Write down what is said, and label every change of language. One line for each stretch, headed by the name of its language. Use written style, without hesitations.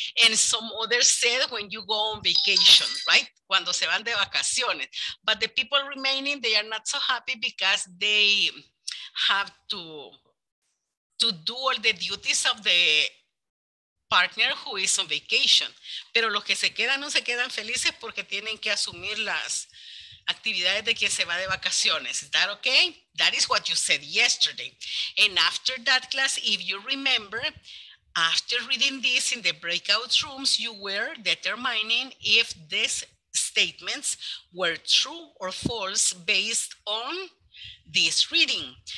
English: And some others said when you go on vacation, right?
Spanish: Cuando se van de vacaciones.
English: But the people remaining, they are not so happy because they have to do all the duties of the partner who is on vacation.
Spanish: Pero los que se quedan no se quedan felices porque tienen que asumir las actividades de quien se va de vacaciones.
English: Is that okay? That is what you said yesterday. And after that class, if you remember, after reading this in the breakout rooms, you were determining if these statements were true or false based on this reading.